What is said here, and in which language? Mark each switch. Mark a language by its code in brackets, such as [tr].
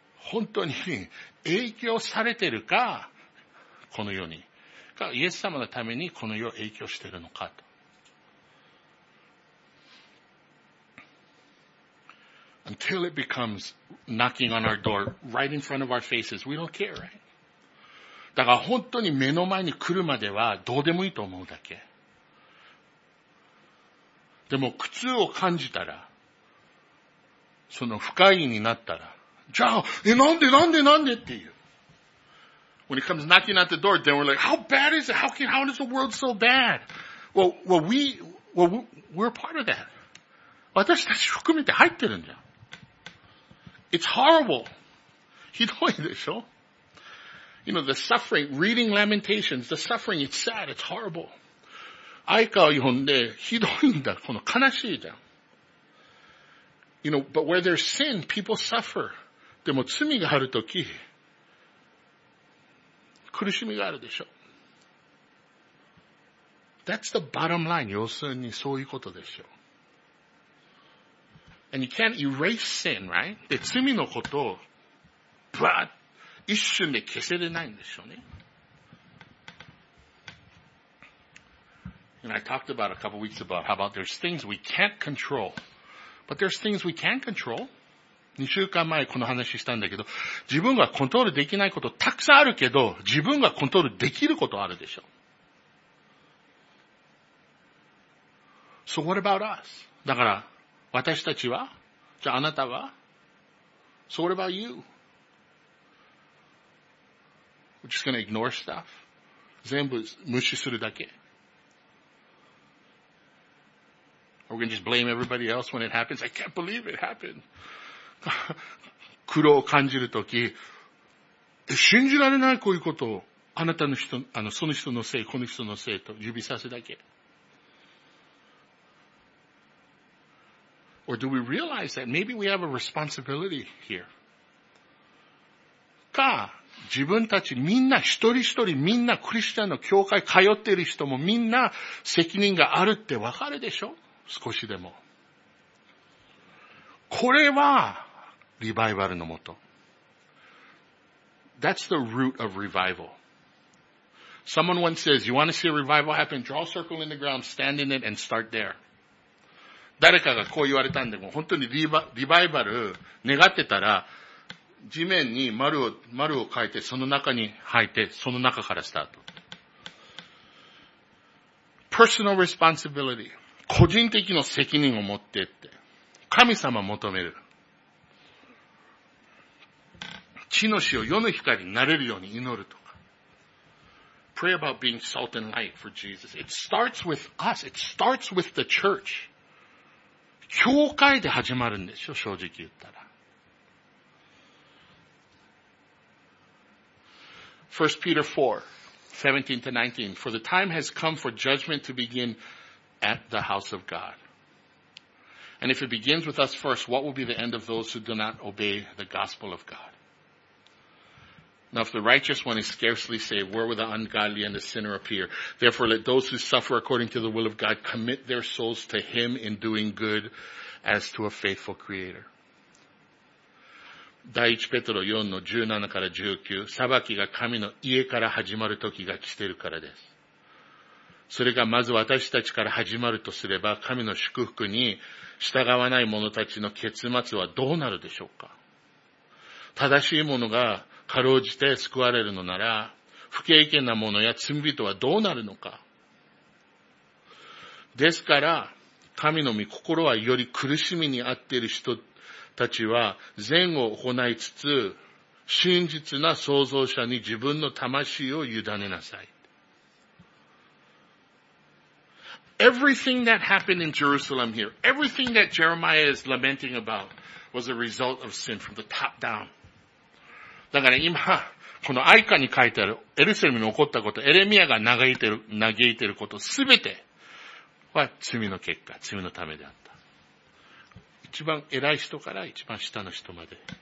[ja] 本当に影響されてるか、この世に。か、イエス様のためにこの世を影響してるのかと。 [en] Until it becomes knocking on our door, right in front of our faces, we don't care, right? [ja] だから本当に目の前に来るまではどうでもいいと思うだけ。でも苦痛を感じたら、その不快になったら、じゃあ、なんでっていう。 [en] When it comes knocking at the door, then we're like, how bad is it? How is the world so bad? Well, we're part of that. [ja] 私たち含めて入ってるんじゃん。 [en] It's horrible. [ja] ひどいでしょ? [en] You know, the suffering, reading Lamentations, the suffering, it's sad, it's horrible. [ja] 愛川を読んでひどいんだ。この悲しいじゃん。 [en] You know, but where there's sin, people suffer. [ja] でも罪があるとき、苦しみがあるでしょ。 [en] That's the bottom line. [ja] 要するにそういうことでしょ。 [en] And you can't erase sin, right? [ja] で、罪のことを、ばーっ、一瞬で消せれないんでしょうね。 [en] And I talked about a couple weeks about how about there's things we can't control. But there's things we can control. [ja] 2週間前この話したんだけど、自分がコントロールできないことたくさんあるけど、自分がコントロールできることあるでしょ。 [en] So what about us? [ja] だから、私たちは、じゃああなたは、 [en] So what about you? We're just gonna ignore stuff. [ja] 全部無視するだけ。 [en] We're gonna just blame everybody else when it happens. I can't believe it happened. [ja] 苦労を感じるとき、信じられないこういうことを、あなたの人、あの、その人のせい、この人のせいと指さすだけ。 [en] Or do we realize that maybe we have a responsibility here? [ja] か、自分たちみんな一人一人みんなクリスチャンの教会通ってる人もみんな責任があるってわかるでしょ？少しでも。これはリバイバルのもと。 [en] That's the root of revival. Someone once says, you want to see a revival happen? Draw a circle in the ground, stand in it, and start there. [ja] 誰かがこう言われたんで、も本当にリバイバル願ってたら、地面に丸を描いて、その中に入って、その中からスタート。 [en] Personal responsibility. [ja] 個人的な責任を持ってって。神様求める。地の塩、世の光になれるように祈るとか。 [en] Pray about being salt and light for Jesus. It starts with us. It starts with the church. [ja] 教会で始まるんでしょ、正直言ったら。 [en] 1 Peter 4:17-19 For the time has come for judgment to begin at the house of God. And if it begins with us first, what will be the end of those who do not obey the gospel of God? Now if the righteous one is scarcely saved, where will the ungodly and the sinner appear? Therefore let those who suffer according to the will of God commit their souls to him in doing good,As to a faithful creator. [ja] 第一ペトロ4の17から19、裁きが神の家から始まる時が来てるからです。それがまず私たちから始まるとすれば、神の祝福に従わない者たちの結末はどうなるでしょうか。正しい者がかろうじて救われるのなら、不敬虔な者や罪人はどうなるのか。ですから、神の御心はより苦しみにあっている人たちは善を行いつつ真実な創造者に自分の魂を委ねなさい。 [en] Everything that happened in Jerusalem here, everything that Jeremiah is lamenting about was a result of sin from the top down. [ja] だから今、このアイカに書いてあるエルサレムに起こったこと、エレミアが嘆いていることすべて、は罪の結果、罪のためであった。一番偉い人から一番下の人まで。